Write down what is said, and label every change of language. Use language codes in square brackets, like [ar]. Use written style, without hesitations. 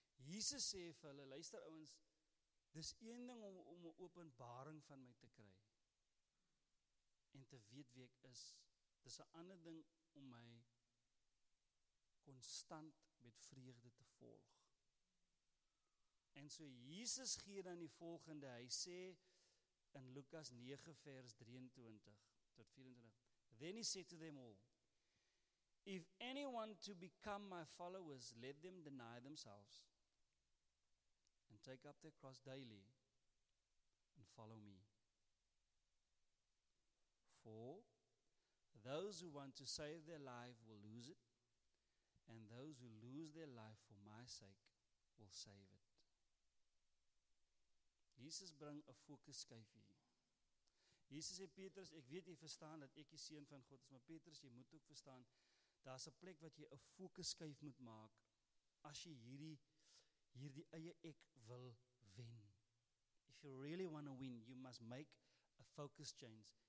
[af] Jesus sê vir hulle, luister ouwens, dis een ding om een openbaring van my te kry, en te weet wie ek is. Dis een ander ding om my constant met vreugde te volg. En so Jesus gee dan die volgende, hy sê in Lukas 9 vers 23 tot 24, [en] then he said to them all, if anyone to become my followers, let them deny themselves, and take up their cross daily, and follow me. For those who want to save their life will lose it, and those who lose their life for my sake will save it. [af] Jesus bring 'n fokusskuif hier. Jesus sê, Petrus, ek weet jy verstaan dat ek die seun van God is, maar Petrus, jy moet ook verstaan, daar's 'n plek wat jy 'n fokusskuif moet maak, as jy hierdie eie ek wil wen. [en] If you really want to win, you must make a focus change.